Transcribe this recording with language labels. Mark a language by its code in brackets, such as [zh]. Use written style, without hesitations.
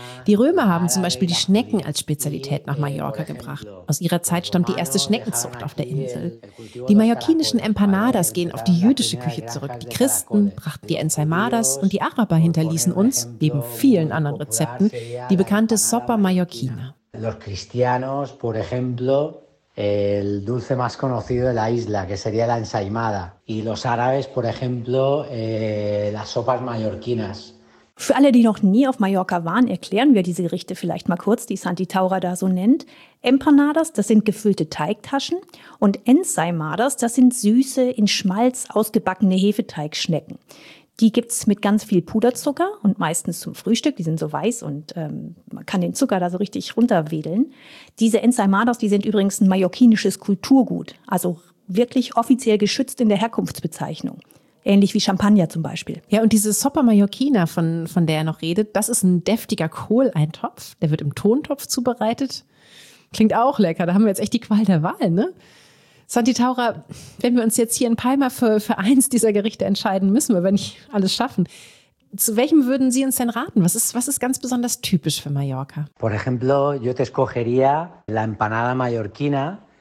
[de] Die Römer haben zum Beispiel die Schnecken als Spezialität nach Mallorca gebracht. Aus ihrer Zeit stammt die erste Schneckenzucht auf der Insel. Die mallorquinischen Empanadas gehen auf die jüdische Küche zurück. Die Christen brachten die Ensaimadas und die Araber hinterließen uns, neben vielen anderen Rezepten, die bekannte Sopa Mallorquina. [es] Los cristianos, por ejemplo, el dulce más conocido de la isla, que sería la ensaimada. Y los árabes, por ejemplo, las sopas mallorquinas. [de] Für alle, die noch nie auf Mallorca waren, erklären wir diese Gerichte vielleicht mal kurz, die Santi Taura da so nennt. Empanadas, das sind gefüllte Teigtaschen. Und ensaimadas, das sind süße, in Schmalz ausgebackene Hefeteigschnecken. Die gibt's mit ganz viel Puderzucker und meistens zum Frühstück. Die sind so weiß und man kann den Zucker da so richtig runterwedeln. Diese Ensaimadas, die sind übrigens ein mallorquinisches Kulturgut, also wirklich offiziell geschützt in der Herkunftsbezeichnung. Ähnlich wie Champagner zum Beispiel. Ja, und diese Sopa Mallorquina, von der er noch redet, das ist ein deftiger Kohleintopf. Der wird im Tontopf zubereitet. Klingt auch lecker, da haben wir jetzt echt die Qual der Wahl, ne? Santi Taura, wenn wir uns jetzt hier in Palma für eins dieser Gerichte entscheiden, müssen wir, wenn ich alles schaffen. Zu welchem würden Sie uns denn raten? Was ist ganz besonders typisch für Mallorca? [es] Por ejemplo, yo te escogería la empanada mallorquina.